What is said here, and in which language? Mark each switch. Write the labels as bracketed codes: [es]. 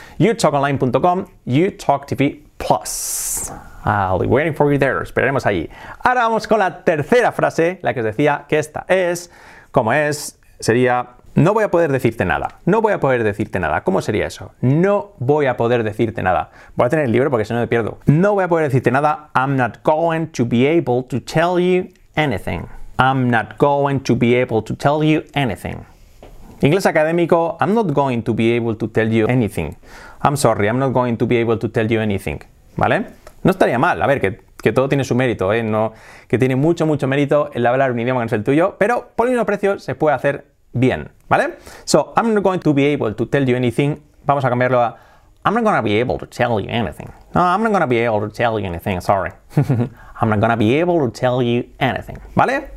[en] YouTalkOnline.com, YouTalkTV Plus. I'll be waiting for you there. [es] Esperaremos allí. Ahora vamos con la tercera frase, la que os decía que esta es, como es, sería, no voy a poder decirte nada. No voy a poder decirte nada. ¿Cómo sería eso? No voy a poder decirte nada. Voy a tener el libro porque si no me pierdo. No voy a poder decirte nada. [en] I'm not going to be able to tell you anything. I'm not going to be able to tell you anything. [es] Inglés académico, [en] I'm not going to be able to tell you anything. I'm sorry, I'm not going to be able to tell you anything. [es] ¿Vale? No estaría mal. A ver, que todo tiene su mérito, ¿eh? No, que tiene mucho, mucho mérito el hablar un idioma que no es el tuyo, pero por el mismo precio se puede hacer bien, ¿vale? [en] So, I'm not going to be able to tell you anything. [es] Vamos a cambiarlo a [en] I'm not going to be able to tell you anything. No, I'm not going to be able to tell you anything, sorry. I'm not going to be able to tell you anything, ¿vale?